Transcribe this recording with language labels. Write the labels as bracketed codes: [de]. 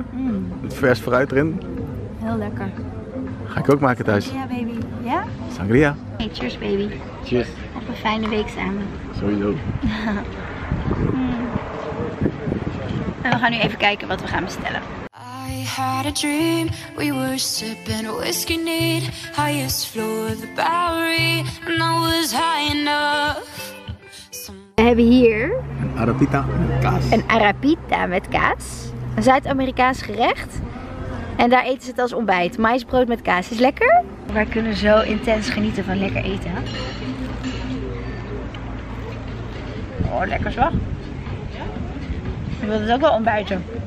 [nl] Mm. Het vers fruit erin. Heel lekker. Ga ik ook maken thuis. Sangria, baby. Ja? Sangria. [en] Hey, cheers, baby. Cheers. [nl] Op een fijne week samen. Sowieso. En we gaan nu even kijken wat we gaan bestellen. [en] I had a dream, we were sipping whiskey neat, highest floor of the Bowery, and I was high enough. [nl] We hebben hier een arapita met kaas. Een arapita met kaas. Een Zuid-Amerikaans gerecht. En daar eten ze het als ontbijt. Maïsbrood met kaas is lekker. Wij kunnen zo intens genieten van lekker eten. Oh, lekker zo. Ik wil het ook wel ontbijten.